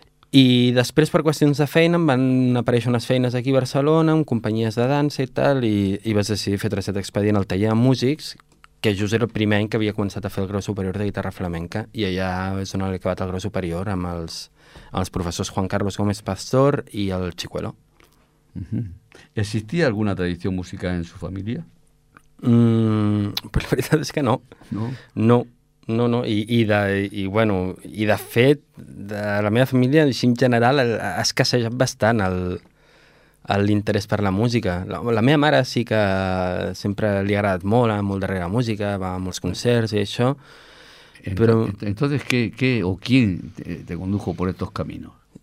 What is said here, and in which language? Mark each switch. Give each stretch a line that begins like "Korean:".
Catalan: I després, per qüestions de feina, em van aparèixer unes feines aquí a Barcelona, amb companyies de dansa i tal, i vaig decidir fer trasllat expedient al taller de músics, que just era el primer any que havia començat a fer el grau superior de guitarra flamenca, i allà és on he acabat el grau superior, amb els professors Juan Carlos Gómez Pastor i el Chicuelo. Uh-huh.
Spanish: ¿Existía alguna tradició musical en su familia?
Catalan: Pues la veritat és que no. No? No. No, no, i de fet, de la meva família, així en general, ha escassejat bastant l'interès per la música. La meva mare sí que sempre li ha agradat molt, molt darrere la música, va a molts concerts i això, però...
Spanish: Entonces, ¿qué o quién te condujo por estos caminos?